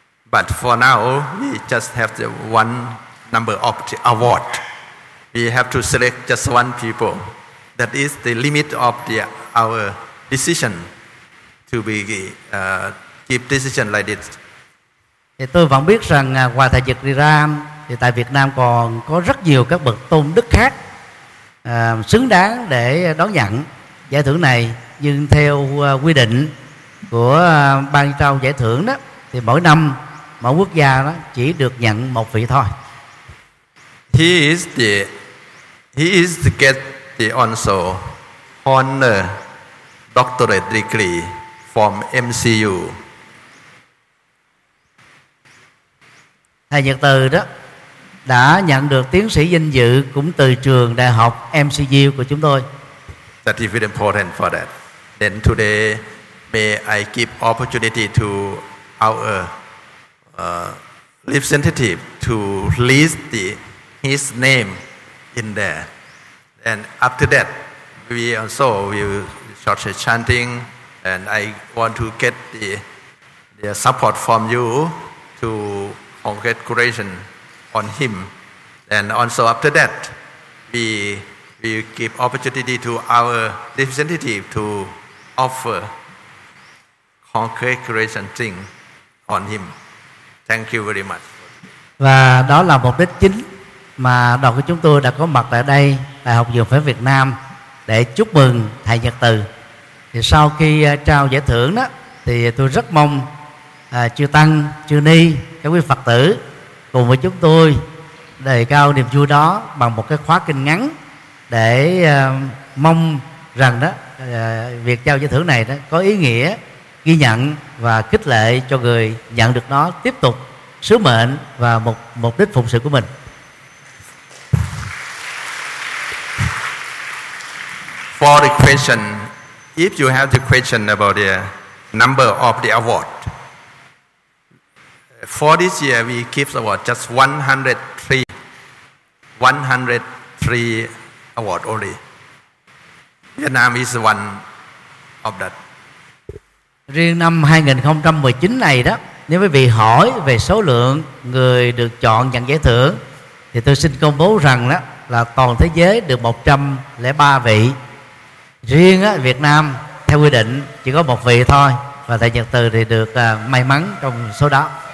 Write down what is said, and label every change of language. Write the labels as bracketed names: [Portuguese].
[English] But for now, we just have the one number of the award. We have to select just one people. That is the limit of the our decision to be give decision like this. [Vietnamese] Thì tôi vẫn biết rằng ngoài thầy Dịch Ram thì tại Việt Nam còn có rất nhiều các bậc tôn đức khác xứng đáng để đón nhận giải thưởng này. Nhưng theo quy định của ban trao giải thưởng đó, thì mỗi năm mỗi quốc gia đó chỉ được nhận một vị thôi. [English] He is the get the also honor doctorate degree from MCU. [Vietnamese] Thầy Nhật Từ đó đã nhận được tiến sĩ danh dự cũng từ trường đại học MCU của chúng tôi. [English] That is very important for that. Then today, may I give opportunity to our representative to list the his name in there. And after that, we also will start chanting, and I want to get the support from you to congratulations on him. And also after that, we give opportunity to our representative to offer congratulations thing on him. Thank you very much. [Vietnamese] Và đó là mục đích chính mà đoàn của chúng tôi đã có mặt tại đây, tại Học viện Phật Việt Nam, để chúc mừng thầy Nhật Từ. Thì sau khi trao giải thưởng đó, thì tôi rất mong chư tăng, chư ni, các quý Phật tử cùng với chúng tôi đề cao niềm vui đó bằng một cái khóa kinh ngắn, để mong rằng đó việc trao giải thưởng này đó có ý nghĩa ghi nhận và khích lệ cho người nhận được nó tiếp tục sứ mệnh và mục đích phụng sự của mình. [English] For the question, if you have the question about the number of the award, for this year we give award just 103 award only. Vietnam is one of that. [Vietnamese] Riêng năm 2019 này đó, nếu quý vị hỏi về số lượng người được chọn nhận giải thưởng, thì tôi xin công bố rằng đó là toàn thế giới được 103 vị Riêng Việt Nam theo quy định chỉ có một vị thôi, và tại Nhật Từ thì được may mắn trong số đó.